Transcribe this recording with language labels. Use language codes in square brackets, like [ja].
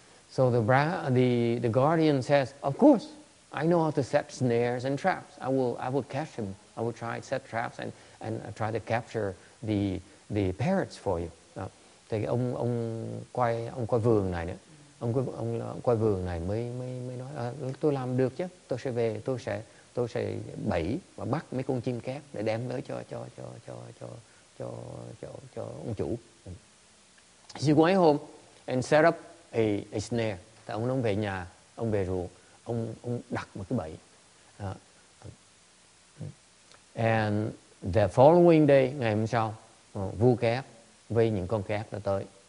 [en] So the guardian says, of course, I know how to set snares and traps. I will catch him. I will try to set traps and try to capture the parrots for you. [vi] Thì ông quay vườn này nữa. Ông quay vườn này mới nói tôi làm được chứ. Tôi sẽ bẫy và bắt mấy con chim két để đem tới cho ông chủ. [en] He went home and set up a snare. [vi] Thì ông về nhà, ông về ruộng, ông đặt một cái bẫy. [en] And the following day, [vi] ngày hôm sau, vua két vì những con két đã tới.